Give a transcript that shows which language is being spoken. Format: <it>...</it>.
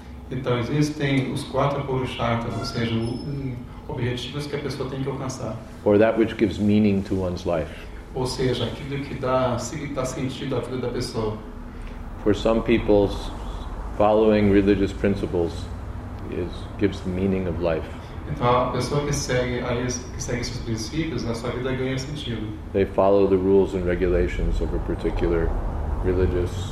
<pt>Então existem os quatro purusharthas, ou seja, objetivos que a pessoa tem que alcançar.</pt> <en>Or that which gives meaning to one's life.</en> <pt>Ou seja, aquilo que dá sentido à vida da pessoa.</pt> <en>For some people, following religious principles gives the meaning of life.</en> <pt>Então, a pessoa que segue esses princípios, a sua vida ganha sentido.</pt> <en>They follow the rules and regulations of a particular religious</en>